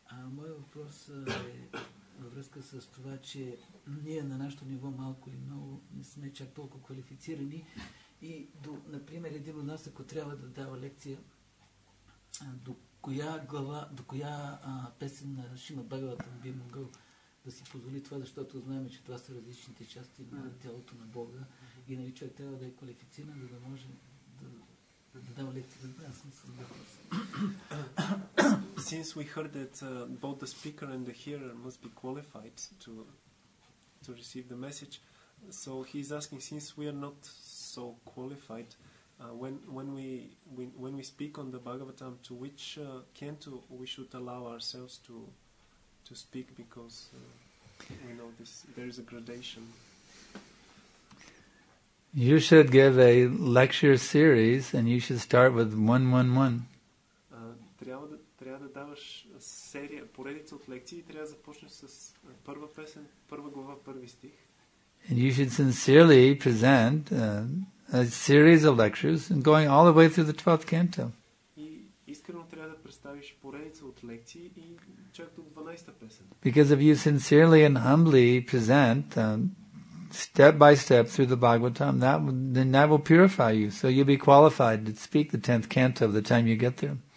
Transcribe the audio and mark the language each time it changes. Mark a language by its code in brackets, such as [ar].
[bg] Моят въпрос е във връзка с това, че ние на нашето ниво малко или много не сме чак толкова квалифицирани и, например, един от нас, ако трябва да дава лекция, до коя глава, до коя песен на Шримад Бхагаватам би могъл да си позволи това, защото знаем, че това са различните части на тялото на Бога и нали човек трябва да е квалифициран, за да може да дава лекция. Добре, аз съм с въпроса. [en] Since we heard that both the speaker and the hearer must be qualified to receive the message, so he's asking, since we are not so qualified, when we speak on the Bhagavatam, to which canto we should allow ourselves to speak, because we know this, there is a gradation. You should give a lecture series and you should start with 111. [bg] Трябва да даваш серия, поредица от лекции, трябва да започнеш с първа песен, първа глава, първи стих. [en] And you should sincerely present a series of lectures and going all the way through the 12th canto. [bg] И искрено трябва да представиш поредица от лекции и чак до 12-та песен. [en] Because if you sincerely and humbly present step by step through the Bhagavatam, then that will purify you, so you'll be qualified to speak the 10th canto of the time you get there.